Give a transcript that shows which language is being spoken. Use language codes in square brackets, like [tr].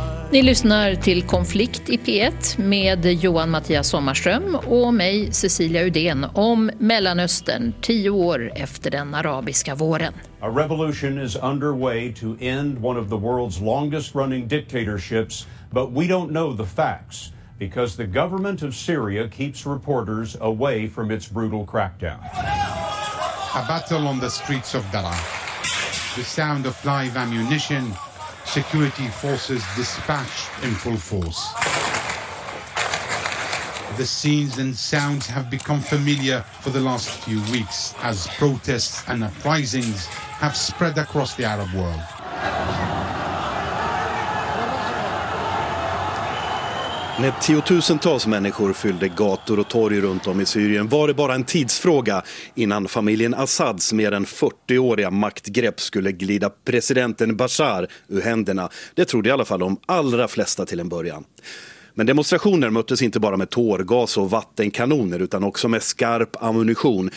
[sv] Ni lyssnar till Konflikt i P1 med Johan Mattias Sommarström och mig, Cecilia Udén, om Mellanöstern 10 år efter den arabiska våren. [en] A revolution is underway to end one of the world's longest running dictatorships, but we don't know the facts because the government of Syria keeps reporters away from its brutal crackdown. A battle on the streets of Daraa. The sound of live ammunition. Security forces dispatched in full force. The scenes and sounds have become familiar for the last few weeks as protests and uprisings have spread across the Arab world. [sv] När tiotusentals människor fyllde gator och torg runt om i Syrien var det bara en tidsfråga innan familjen Assads mer än 40-åriga maktgrepp skulle glida presidenten Bashar ur händerna. Det trodde i alla fall de allra flesta till en början. Men demonstrationer möttes inte bara med tårgas och vattenkanoner utan också med skarp ammunition.